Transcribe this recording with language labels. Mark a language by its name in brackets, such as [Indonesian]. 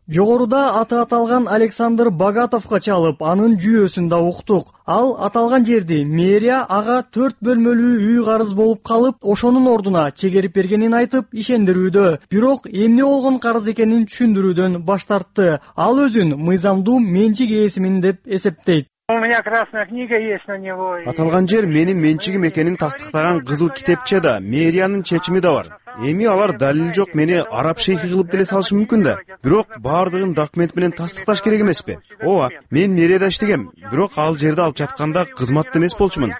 [Kyrgyz] Жогоруда аты аталган Александр Богатовго чалып, анын жүйөсүн да уктук. Ал аталган жерди мэрия ага 4 бөлмөлүү үй карыз болуп калып, ошонун ордуна чегерип бергенин айтып ишендирүүдө. Бирок эмне болгон карыз экенин түшүндүрүүдөн баш тартты. Ал өзүн мыйзамдуу менчик ээсимин деп эсептейт. [Russian] У меня красная книга есть на него. [Kyrgyz] Аталган жер менин менчигим экенин тастыктаган кызыл китепче да, мэриянын чечими да бар. Эми алар далил жок мени араб шейхи кылып деле салышы мүмкүн да. Бирок бардыгын документ менен тастыкташ керек эмеспи? Ооба, мен мэрияда иштегем, бирок ал жерди алып жатканда кызматта эмес болчумун.